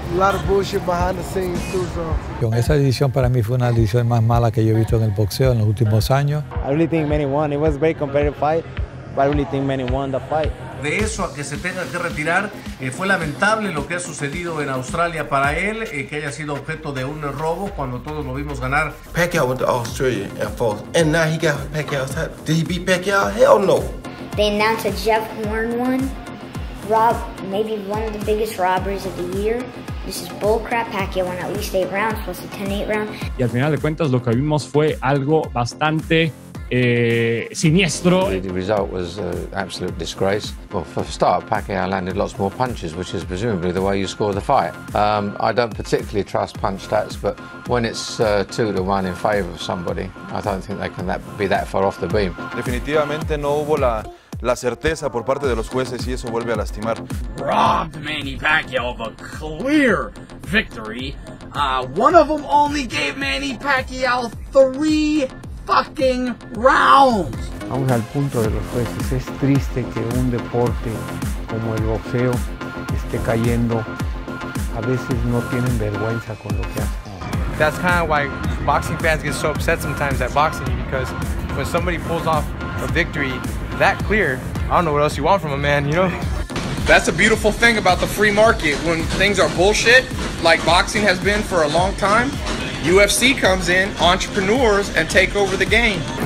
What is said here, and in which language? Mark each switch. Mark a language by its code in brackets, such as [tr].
[en] A lot of bullshit behind the scenes, too, so. [es] Con esa decisión para mí fue una decisión más mala que yo he visto en el boxeo en los últimos años. [en] I really think Manny won. It was a very competitive fight, but I really think Manny won the fight. [es] De eso a que se tenga que retirar, fue lamentable lo que ha sucedido en Australia para él, que haya sido objeto de un robo cuando todos lo vimos ganar. [en] Pacquiao went to Australia and fought, and now he got Pacquiao's hat. Did he beat Pacquiao? Hell no. They announced that Jeff Horn won. Rob, maybe one of the biggest robberies of the year. This is bullcrap. Pacquiao won at least 8 rounds, plus a 10-8 round. [es] Y al final de cuentas, lo que vimos fue algo bastante... siniestro. [en] The result was an absolute disgrace. Well, for a start, Pacquiao landed lots more punches, which is presumably the way you score the fight. I don't particularly trust punch stats, but when it's 2-1 in favor of somebody, I don't think they can be that far off the beam. [es] Definitivamente no hubo la certeza por parte de los jueces y eso vuelve a lastimar. [en] Robbed Manny Pacquiao of a clear victory. One of them only gave Manny Pacquiao 3 fucking rounds. [es] Vamos al punto de los jueces. Es triste que un deporte como el boxeo esté cayendo. A veces no tienen vergüenza con lo que hacen. [en] That's kind of why boxing fans get so upset sometimes at boxing, because when somebody pulls off a victory that clear, I don't know what else you want from a man, you know? That's a beautiful thing about the free market. When things are bullshit, like boxing has been for a long time, UFC comes in, entrepreneurs, and take over the game.